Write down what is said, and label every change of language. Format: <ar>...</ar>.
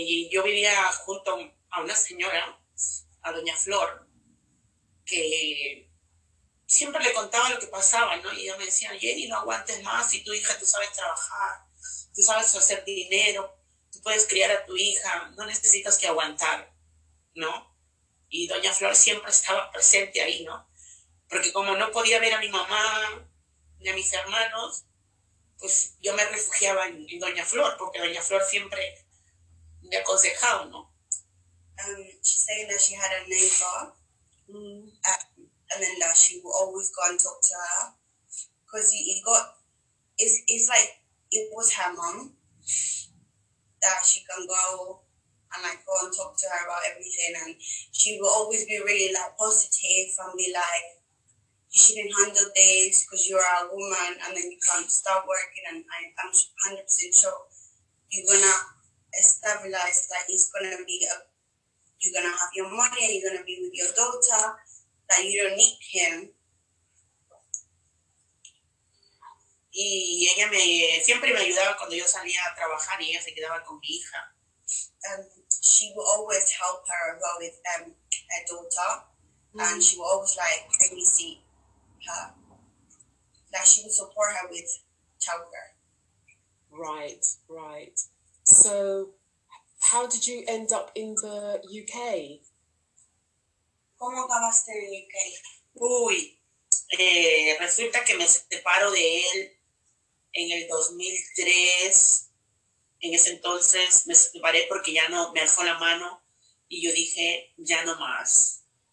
<es>Yo vivía junto a una señora, a Doña Flor, que siempre le contaba lo que pasaba, ¿no? Y ella me decía, Jenny, no aguantes más, si tu hija, tú sabes trabajar, tú sabes hacer dinero, tú puedes criar a tu hija, no necesitas que aguantar, ¿no? Y Doña Flor siempre estaba presente ahí, ¿no? Porque como no podía ver a mi mamá ni a mis hermanos, pues yo me refugiaba en Doña Flor, porque Doña Flor siempre me aconsejaba, ¿no?</es> <en>She's saying that she had a neighbor, and then that she would always go and talk to her, because it's like, it was her mom, that she can go and like go and talk to her about everything, and she would always be really like positive and be like, you shouldn't handle this because you're a woman and then you can't start working. And I'm 100% sure you're going to stabilize, like it's going to be, you're going to have your money, you're going to be with your daughter, that you don't need him.</en> <es>Y ella me, siempre me ayudaba cuando yo salía a trabajar y ella se quedaba con mi hija.</es> <en>She will always help her as well with her daughter. Mm-hmm. And she will always like, let me see. Her, that she would support her with childcare. Right, right. So, how did you end up in the UK?</en> <es>¿Cómo acabaste en UK? Uy, resulta que me separo de él en el 2003. En ese entonces me separé porque ya no me alzó la mano y yo dije, ya no más.</es>